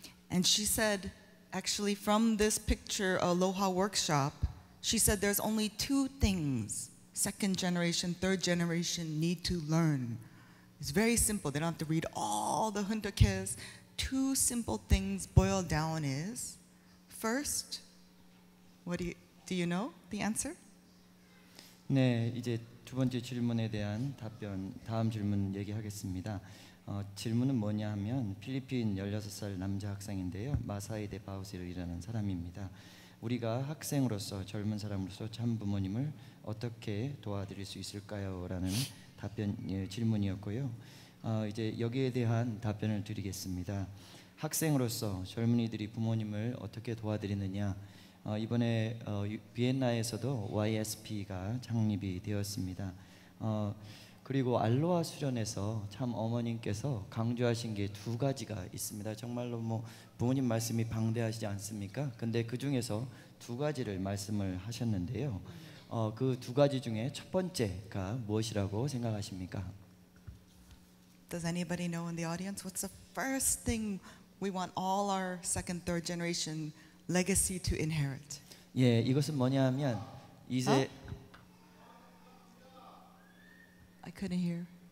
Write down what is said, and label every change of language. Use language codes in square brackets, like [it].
[en] And she said, actually from this picture, Aloha Workshop, she said there's only two things second generation, third generation need to learn. It's very simple. They don't have to read all the hundukes. Two simple things boiled down is, first, what do you know the answer? [ko] 네, 이제 두 번째 질문에 대한 답변, 다음 질문 얘기하겠습니다. 질문은 뭐냐 하면 필리핀 16살 남자 학생인데요. 마사이데 바우세르이라는 사람입니다. 우리가 학생으로서, 젊은 사람으로서 참 부모님을 어떻게 도와드릴 수 있을까요? 라는 답변 질문이었고요. 이제 여기에 대한 답변을 드리겠습니다. 학생으로서 젊은이들이 부모님을 어떻게 도와드리느냐. 이번에 비엔나에서도 YSP가 창립이 되었습니다. 그리고 알로하 수련에서 참 어머님께서 강조하신 게 두 가지가 있습니다. 정말로 뭐 부모님 말씀이 방대하시지 않습니까? 근데 그 중에서 두 가지를 말씀을 하셨는데요. 그 두 가지 중에 첫 번째가 무엇이라고 생각하십니까? [en] Does anybody know in the audience what's the first thing we want all our second, third generation legacy to inherit? [ko] 예, 이것은 뭐냐면 이제 [en] I couldn't hear.